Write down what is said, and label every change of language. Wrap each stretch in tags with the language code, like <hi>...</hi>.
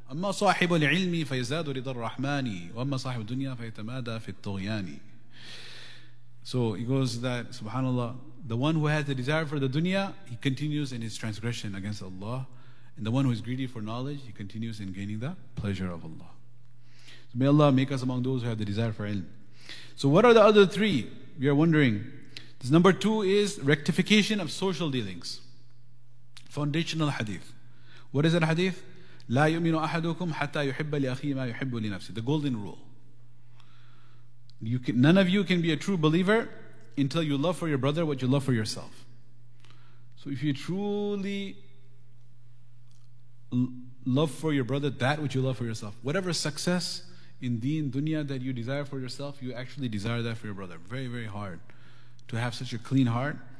<ar>أَمَّا صَاحِبُ الْعِلْمِ فَيَزَادُ رِضَ الرَّحْمَانِ وَأَمَّا صَاحِبُ الدُّنْيَا فَيَتَمَادَ فِي الطُّغْيَانِ</ar> <en>So it goes that, subhanAllah, the one who has the desire for the dunya, he continues in his transgression against Allah. And the one who is greedy for knowledge, he continues in gaining the pleasure of Allah. So may Allah make us among those who have the desire for ilm. So what are the other three? We are wondering. This number two is rectification of social dealings. Foundational hadith. What is that hadith?</en> <ar>لا يؤمن أحدكم حتى يحب لأخيه ما يحب لنفسه.</ar> <en>The golden rule. None of you can be a true believer until you love for your brother what you love for yourself. So if you truly love for your brother that which you love for yourself, whatever success in deen, dunya that you desire for yourself, you actually desire that for your brother. Very, very hard to have such a clean heart</en>